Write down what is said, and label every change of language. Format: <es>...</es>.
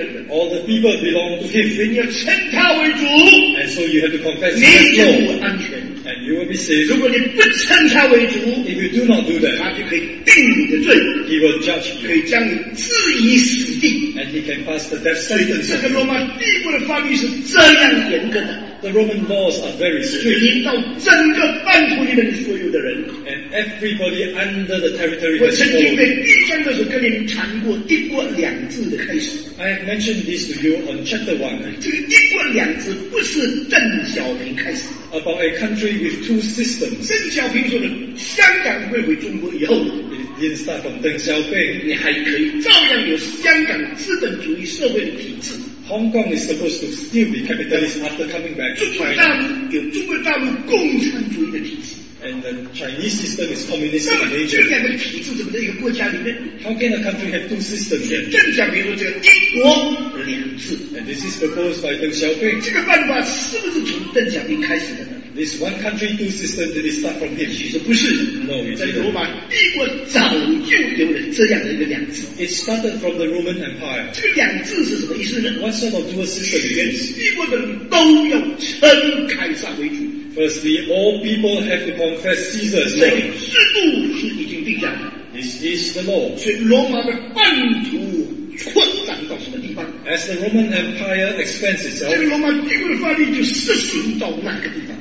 <en>All the people belong to him.</en> <zh>所以你要称他为主,</zh> <en>and so you have to confess him. And you will be saved.</en> <zh>如果你不称他为主,</zh> <en>if you do not do that,</en> <zh>他就可以定你的罪,</zh> <en>he will judge you.</en> <zh>可以将你置以死地,</zh> <en>and he can pass the death sentence.</en> <zh>这个罗马帝国的法律是这样严格的。</zh> <en>The Roman laws are very strict. And everybody under the territory has fallen. I have mentioned this to you on chapter 1. About a country with two systems.</en> <zh>邓小平说的香港会回中国以后,</zh> <en>it didn't start from Deng Xiaoping.</en> <zh>你还可以照样有香港资本主义社会的体制。</zh> <en>Hong Kong is supposed to still be capitalist after coming back to China.</en> <zh>中国大陆有中国大陆共产主义的体制。</zh> <en>And the Chinese system is communist in nature. How can a country have two systems?</en> <zh>邓小平说这个一国两制。</zh> <en>And this is proposed by Deng Xiaoping.</en> <zh>这个办法是不是从邓小平开始的?</zh> <en>This one country, two systems, did it start from here?</en> <zh>其实不是,</zh> <en>no, it started from the Roman Empire.</en> <zh>这个两制是什么意思呢?</zh> <en>What sort of dual system is this?</en> <zh>全帝国的人都要称凯撒为主。</zh> <en>Firstly, all people have to confess Caesar as Lord.</en> <zh>制度是已经定下的。</zh> <en>This is the law.</en> <zh>所以罗马的半途, 扩展到什么地方?</zh> <en>As the Roman Empire expands itself,</en> <zh>这个罗马帝国的法律就实行到那个地方。</zh>